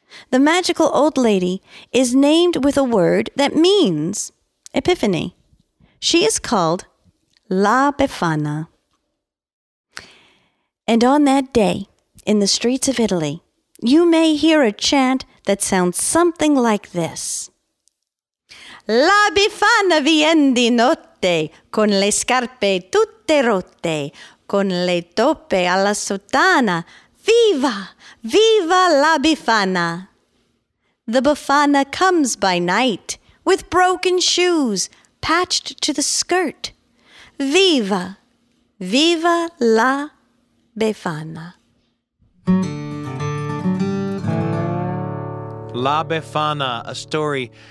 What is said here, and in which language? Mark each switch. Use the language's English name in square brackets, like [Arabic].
[English] The magical old lady is named with a word that means Epiphany. She is called La Befana. And on that day, in the streets of Italy, you may hear a chant that sounds something like this. [Italian] La Befana vien di notte, con le scarpe tutte rotte, con le toppe alla sottana, viva, viva la Befana. [English] The Befana comes by night with broken shoes patched to the skirt. [Italian] Viva, viva la Befana. [English] La Befana, a story